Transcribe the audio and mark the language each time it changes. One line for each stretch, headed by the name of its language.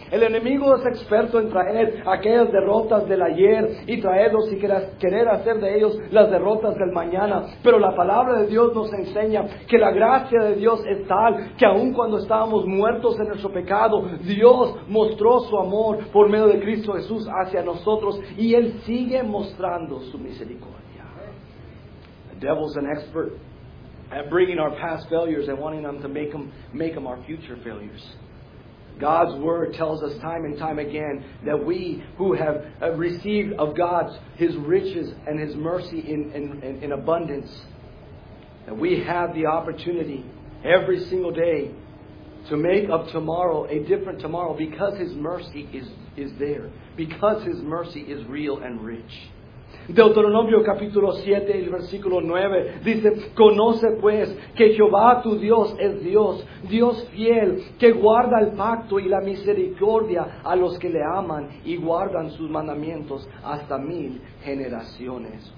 Spanish: El enemigo es experto en traer aquellas derrotas del ayer y traerlos y querer hacer de ellos las derrotas del mañana. Pero la palabra de Dios nos enseña que la gracia de Dios es tal que aun cuando estábamos muertos en nuestro pecado, Dios mostró su amor por medio de Cristo Jesús hacia nosotros, y Él sigue mostrando su misericordia.
English: Devil's an expert at bringing our past failures and wanting them to make them our future failures. God's word tells us time and time again that we who have received of God's His riches and His mercy in abundance, that we have the opportunity every single day to make of tomorrow a different tomorrow because His mercy is there. Because His mercy is real and rich.
Spanish: Deuteronomio capítulo 7, el versículo 9, dice, conoce pues que Jehová tu Dios es Dios, Dios fiel, que guarda el pacto y la misericordia a los que le aman y guardan sus mandamientos hasta mil generaciones.